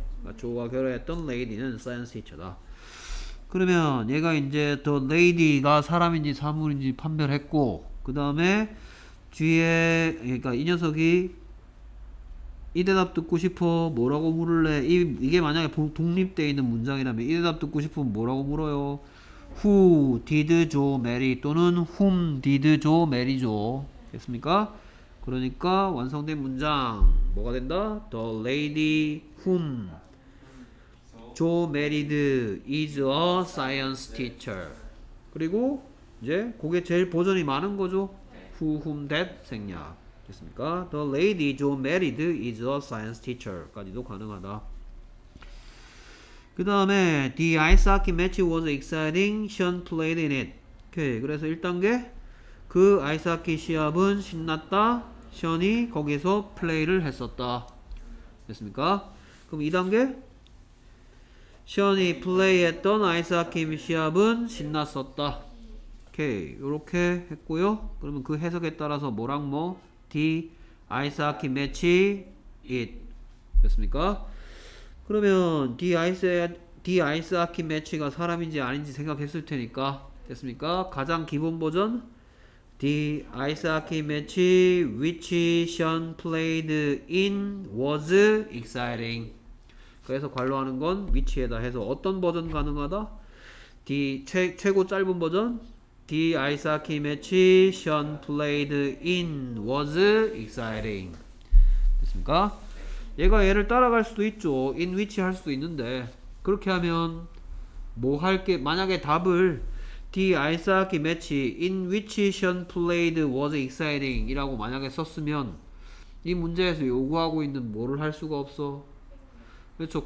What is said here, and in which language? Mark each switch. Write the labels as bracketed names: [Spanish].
[Korean] 그러니까 조가 결혼했던 레이디는 사이언스 티처다. 그러면 얘가 이제 더 레이디가 사람인지 사물인지 판별했고 그 다음에 뒤에 그러니까 이 녀석이 이 대답 듣고 싶어 뭐라고 물을래? 이게 만약에 독립되어 있는 문장이라면 이 대답 듣고 싶으면 뭐라고 물어요? [English] Who did Joe marry? [Korean] 또는 [English] Whom did Joe marry? [Korean] 됐습니까? 그러니까 완성된 문장 뭐가 된다? [English] The lady whom Joe married is a science teacher. [Korean] 그리고 이제 그게 제일 버전이 많은 거죠. [English] Who, whom, that [Korean] 생략. 됐습니까? [English] The lady Joe married is a science teacher [Korean] 까지도 가능하다. 그 다음에 [English] The ice hockey match was exciting. Sean played in it. 오케이. [Korean] 그래서 1단계 그 아이스 하키 시합은 신났다. Sean이 거기서 플레이를 했었다. 됐습니까? 그럼 2단계 Sean이 플레이했던 아이스 하키 시합은 신났었다. 오케이. 요렇게 했고요. 그러면 그 해석에 따라서 뭐랑 뭐 [English] The ice hockey match it [Korean] 됐습니까? 그러면 the ice hockey match가 사람인지 아닌지 생각했을 테니까 됐습니까? 가장 기본 버전 [English] The ice hockey match which Sean played in was exciting. [Korean] 그래서 관로하는 건 which에다 해서 어떤 버전 가능하다? [English] The [Korean] 최고 짧은 버전 [English] The ice hockey match Sean played in was exciting. [Korean] 됐습니까? 얘가 얘를 따라갈 수도 있죠. In which 할 수도 있는데 그렇게 하면 뭐 할 게 만약에 답을 [English] The ice hockey match in which Sean played was exciting [Korean] 이라고 만약에 썼으면 이 문제에서 요구하고 있는 뭐를 할 수가 없어? 그렇죠.